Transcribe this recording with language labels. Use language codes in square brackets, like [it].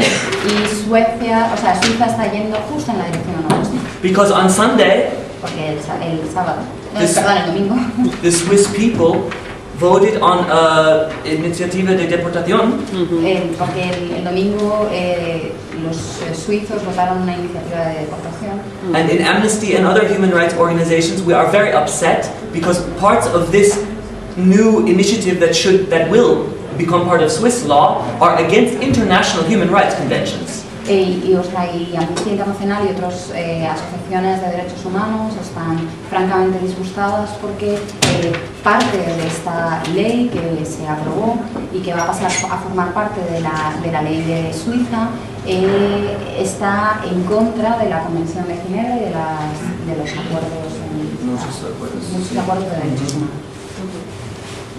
[es] Y Suecia, o sea, Suiza está yendo justo en la dirección opuesta. [en] Because on Sunday, [es] porque el sábado, el domingo, [en] the Swiss people voted on a [es] iniciativa de deportación. Porque el domingo los suizos votaron una iniciativa de deportación. [en] And in Amnesty and other human rights organizations, we are very upset because parts of this new initiative that will become part of Swiss law are against international human rights conventions. [es] Y Amnistía Internacional y otras asociaciones de derechos humanos están francamente disgustadas porque parte de esta ley que se aprobó y que va a pasar a formar parte de la ley de Suiza está en contra de la Convención de Ginebra y de los acuerdos de derechos humanos.